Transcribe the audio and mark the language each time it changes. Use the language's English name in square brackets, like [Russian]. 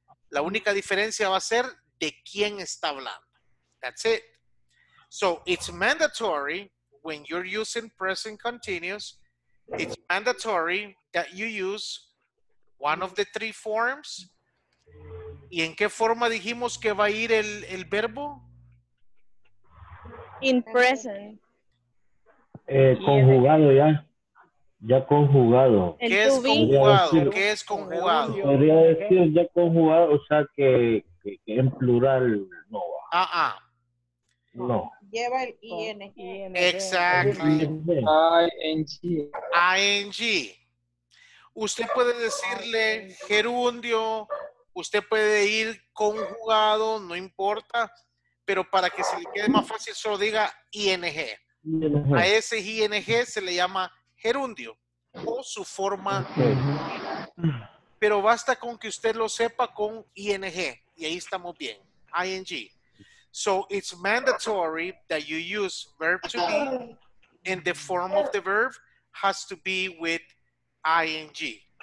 [Spanish] La única diferencia va a ser de quién está hablando. [English] That's it. So it's mandatory when you're using present continuous, it's mandatory that you use one of the 3 forms. [Spanish] ¿Y en qué forma dijimos que va a ir el verbo? [English] In present. [Spanish] Conjugado ya. Ya conjugado. ¿Qué es conjugado? Decir, ¿qué es conjugado? Podría decir ya conjugado, o sea que en plural no va. Ah, ah. No. Lleva el ING. [English] Exactly. ING. ING. [Spanish] Usted puede decirle gerundio, usted puede ir conjugado, no importa, pero para que se le quede más fácil, solo diga ING. A ese ING se le llama gerundio. O su forma. Pero basta con que usted lo sepa con ING. Y ahí estamos bien. ING. [English] So it's mandatory that you use verb to be. And the form of the verb has to be with ING.